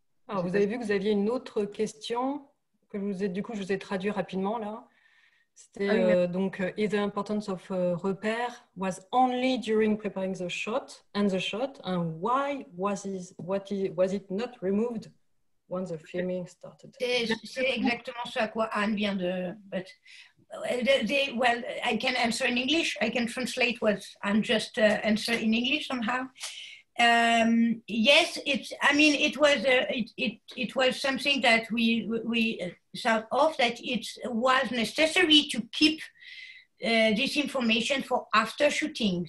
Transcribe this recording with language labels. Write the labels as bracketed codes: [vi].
[fr] Alors, vous avez vu que vous aviez une autre question que je vous ai traduit rapidement là. C'était donc [en] « Is the importance of repair was only during preparing the shot and the shot and why was it not removed when the filming started ?» [fr] C'est exactement ce à quoi Anne vient de... [en] Well, I can answer in English. I can translate what Anne just answered in English somehow. Yes, it was something that we thought of, that it was necessary to keep this information for after shooting.